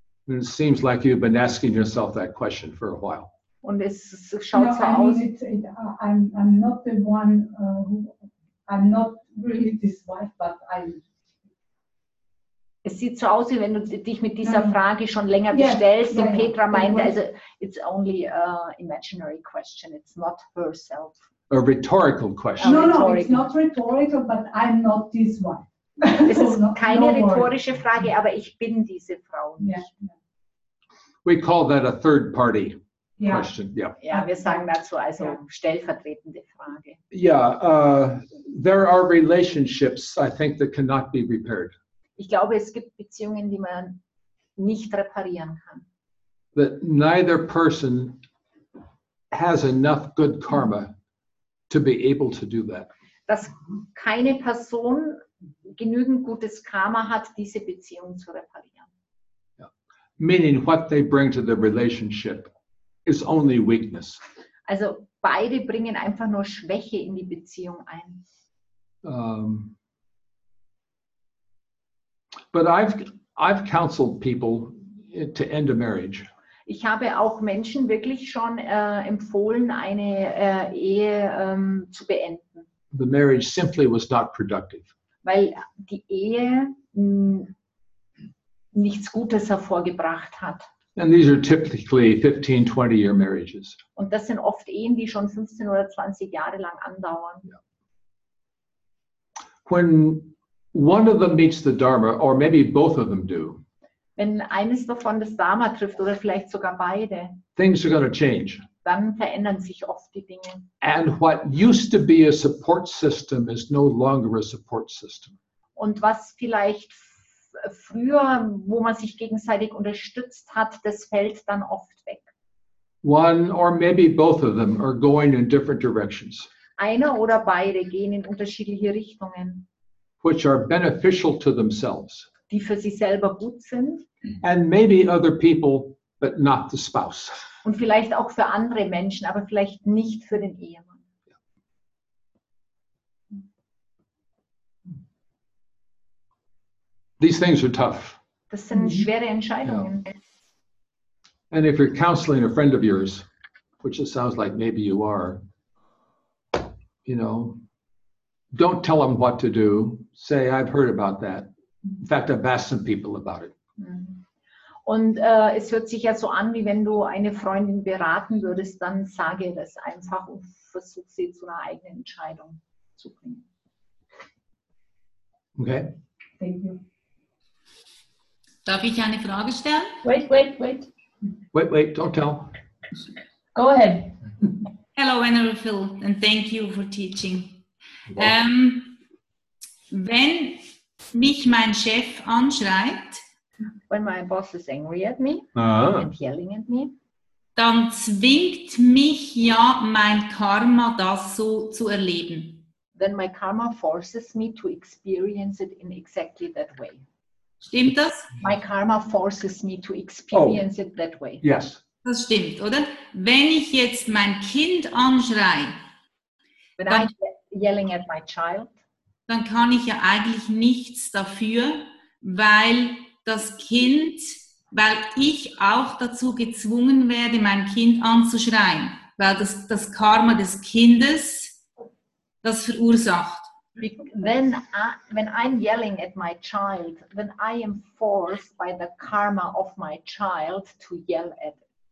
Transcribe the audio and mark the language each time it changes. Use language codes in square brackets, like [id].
[en] And it seems like you've been asking yourself that question for a while. [de] Und es schaut so aus. [en] I'm not the one who, I'm not really this wife, but I. [de] Es sieht so aus, wie wenn du dich mit dieser Frage schon länger bestellst. [en] Yeah, [de] und Petra meinte, also [en] it's only an imaginary question. It's not herself. A rhetorical question. No, it's not rhetorical, but I'm not this one. [de] Es ist keine rhetorische Frage, aber ich bin diese Frau nicht. [en] Yeah. We call that a third party. Question. [de] Ja, wir sagen dazu also stellvertretende Frage. [en] Yeah, there are relationships, I think, that cannot be repaired. [de] Ich glaube, es gibt Beziehungen, die man nicht reparieren kann. [en] That neither person has enough good karma to be able to do that. [de] Dass keine Person genügend gutes Karma hat, diese Beziehung zu reparieren. [en] Yeah. Meaning what they bring to the relationship is only weakness. [de] Also beide bringen einfach nur Schwäche in die Beziehung ein. [en] But I've counseled people to end a marriage. [de] Ich habe auch Menschen wirklich schon empfohlen, eine Ehe zu beenden. [en] The marriage simply was not productive. [de] Weil die Ehe nichts Gutes hervorgebracht hat. [en] And these are typically 15, 20 year marriages. [de] Und das sind oft Ehen, die schon 15 oder 20 Jahre lang andauern. [en] Yeah. When one of them meets the Dharma, or maybe both of them do. [de] Wenn eines davon das Dharma trifft, oder vielleicht sogar beide. [en] Things are going to change. [de] Dann verändern sich oft die Dinge. [en] And what used to be a support system is no longer a support system. [de] Und was vielleicht früher, wo man sich gegenseitig unterstützt hat, das fällt dann oft weg. [en] One or maybe both of them are going in different directions. [de] Einer oder beide gehen in unterschiedliche Richtungen. [en] Which are beneficial to themselves. [de] Die für sie selber gut sind. [en] And maybe other people, but not the spouse. [de] Und vielleicht auch für andere Menschen, aber vielleicht nicht für den Ehemann. [en] These things are tough. [de] Das sind schwere Entscheidungen. Yeah. [en] And if you're counseling a friend of yours, which it sounds like maybe you are, you know, don't tell them what to do. Say, I've heard about that. In fact, I've asked some people about it. [de] Und es hört sich ja so an, wie wenn du eine Freundin beraten würdest, dann sage das einfach und versuch sie zu einer eigenen Entscheidung zu bringen. [en] Okay. Thank you. [de] Darf ich eine Frage stellen? [en] Wait, don't tell. Go ahead. Hello, Annabelle, and thank you for teaching. [de] Wenn mich mein Chef anschreit, [en] when my boss is angry at me and yelling at me, [de] dann zwingt mich ja mein Karma, das so zu erleben. [en] Then my karma forces me to experience it in exactly that way. [de] Stimmt das? [en] My karma forces me to experience it that way. Yes. [de] Das stimmt, oder? Wenn ich jetzt mein Kind anschrei, [en] when [de] dann, [en] I'm yelling at my child, [de] dann kann ich ja eigentlich nichts dafür, weil das Kind, weil ich auch dazu gezwungen werde, mein Kind anzuschreien, weil das Karma des Kindes das verursacht. [en] When I'm yelling at my child, then I am forced by the karma of my child to yell at it.